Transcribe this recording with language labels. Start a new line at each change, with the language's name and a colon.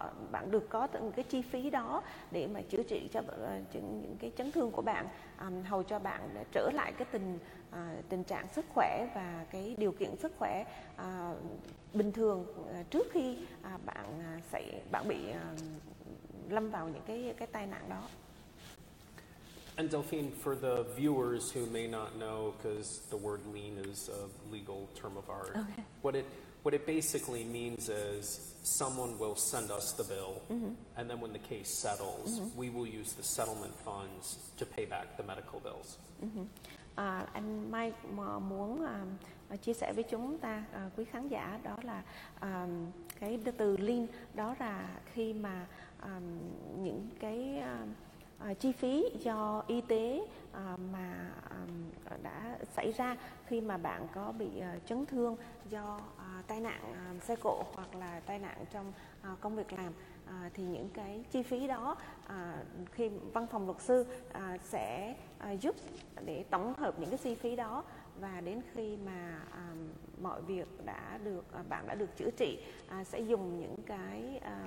Vietnamese: bạn được có từng cái chi phí đó để mà chữa trị cho những cái chấn thương của bạn, hầu cho bạn để trở lại cái tình trạng sức khỏe và cái điều kiện sức khỏe bình thường trước khi bạn bị lâm vào những cái tai nạn đó.
English: And Delphine, for the viewers who may not know, because the word lien is a legal term of art, okay, what it basically means is someone will send us the bill, mm-hmm, and then when the case settles, mm-hmm, we will use the settlement funds to pay back the medical bills. Mm-hmm.
Vietnamese: Anh Mike muốn chia sẻ với chúng ta, quý khán giả, đó là cái từ lien, đó là khi mà những cái chi phí do y tế mà đã xảy ra khi mà bạn có bị chấn thương do tai nạn xe cộ hoặc là tai nạn trong công việc làm, thì những cái chi phí đó khi văn phòng luật sư sẽ giúp để tổng hợp những cái chi phí đó, và đến khi mà mọi việc đã được bạn đã được chữa trị sẽ dùng những cái